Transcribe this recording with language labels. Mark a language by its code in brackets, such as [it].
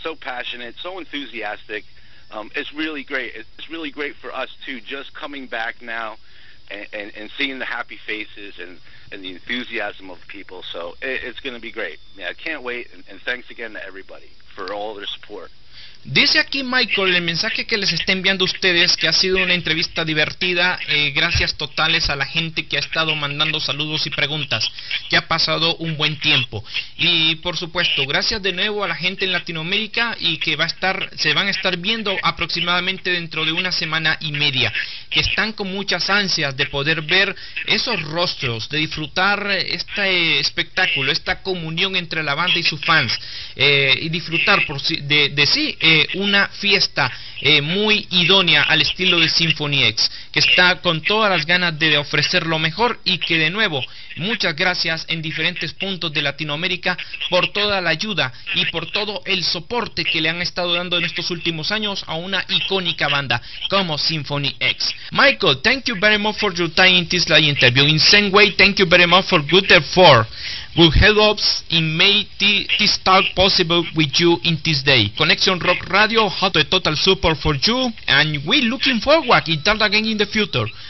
[en] So passionate, so enthusiastic. It's really great. It's really great for us, too, just coming back now and seeing the happy faces and the enthusiasm of people. So it's going to be great. Yeah, I can't wait, and thanks again to everybody for all their support. [es] Dice aquí Michael, el mensaje que les está enviando ustedes, que ha sido una entrevista divertida, gracias totales a la gente que ha estado mandando saludos y preguntas, que ha pasado un buen tiempo. Y por supuesto, gracias de nuevo a la gente en Latinoamérica y que se van a estar viendo aproximadamente dentro de una semana y media, que están con muchas ansias de poder ver esos rostros, de disfrutar este espectáculo, esta comunión entre la banda y sus fans, y disfrutar de sí. Una fiesta muy idónea al estilo de Symphony X, que está con todas las ganas de ofrecer lo mejor, y que de nuevo, muchas gracias en diferentes puntos de Latinoamérica por toda la ayuda y por todo el soporte que le han estado dando en estos últimos años a una icónica banda como Symphony X. [en] Michael, thank you very much for your time in this live interview. In same way, thank you very much for good effort. Will help us in make this talk possible with you in this day. Conexión Rock Radio has the total support for you, and we looking forward to talk again in the future.